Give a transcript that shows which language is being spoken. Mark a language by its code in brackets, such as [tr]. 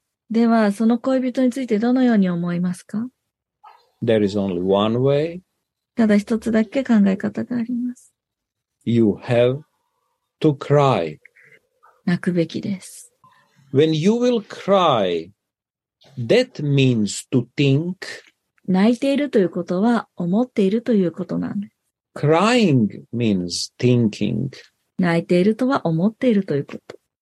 [ja] ではその恋人についてどのように思いますか? [en] There is only one way. [ja] ただ一つだけ考え方があります。 [en] You have to cry. [ja] 泣くべきです。 [en] When you will cry, that means to think. [ja] 泣いているということは思っているということなんです。 [en] Crying means thinking. [ja] 泣いているとは思っているということ。